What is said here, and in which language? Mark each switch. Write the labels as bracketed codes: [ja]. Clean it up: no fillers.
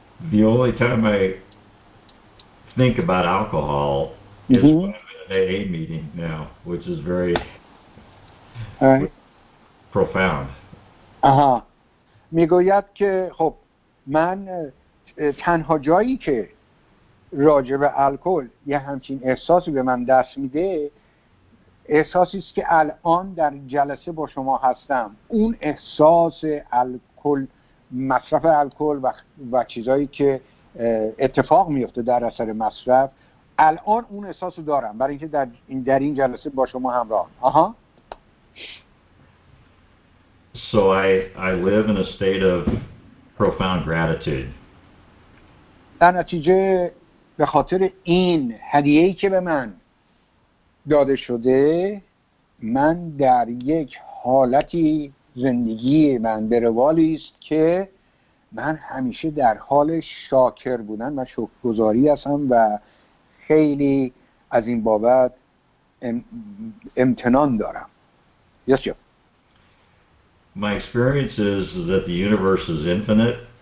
[en] The only time I think about alcohol is when I'm in an AA meeting now, which is very profound. Aha. [fa] میگوید که خب من تنها جایی که راجع به الکل یه همچین احساسی به من دست میده احساسی است که الان در جلسه با شما هستم. اون احساس الکل، مصرف الکل و چیزایی که اتفاق میفته در اثر مصرف، الان اون احساسو دارم برای اینکه در این جلسه با شما همراه. آها. [en] So I live in a state of profound gratitude. [fa] در نتیجه به خاطر این هدیه‌ای که به من داده شده، من در یک حالتی زندگی من به روالی است که من همیشه در حال شاکر بودن و شکرگزاری هستم و خیلی از این بابت امتنان دارم. [en] Yes, sir. My experience is that the universe is infinite.